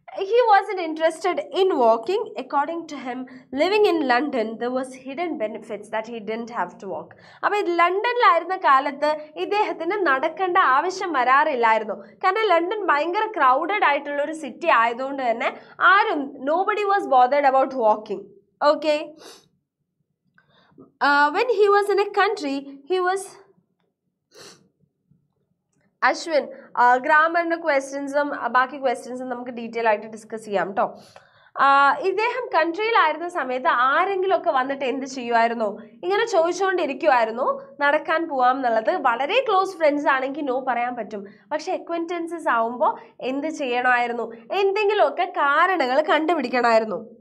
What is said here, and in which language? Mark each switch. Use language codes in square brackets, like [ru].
[en] He was interested in walking. According to him, living in London, there was hidden benefits that he didn't have to walk. [ml] അപ്പോൾ ലണ്ടനിലായിരുന്ന കാലത്ത് ഇദ്ദേഹത്തിന് നടക്കേണ്ട ആവശ്യം വരാറില്ലായിരുന്നു. കാരണം London ഭയങ്കര crowded ആയിട്ടുള്ള ഒരു സിറ്റി ആയതുകൊണ്ട് തന്നെ ആരും, [en] Nobody was bothered about walking. Okay, when he was in a country, he was Ashwin, grammar and questions [ml] baaki questions namak detail aayittu discuss cheyam to. ഇദ്ദേഹം കൺട്രിയിൽ ആയിരുന്ന സമയത്ത് ആരെങ്കിലുമൊക്കെ വന്നിട്ട് എന്ത് ചെയ്യുമായിരുന്നു, ഇങ്ങനെ ചോദിച്ചുകൊണ്ടിരിക്കുമായിരുന്നു നടക്കാൻ പോവാം എന്നുള്ളത്. വളരെ ക്ലോസ് ഫ്രണ്ട്സ് ആണെങ്കിൽ നോ പറയാൻ പറ്റും, പക്ഷേ അക്വൻറ്റൻസസ് ആവുമ്പോൾ എന്ത് ചെയ്യണമായിരുന്നു, എന്തെങ്കിലുമൊക്കെ കാരണങ്ങൾ കണ്ടുപിടിക്കണമായിരുന്നു.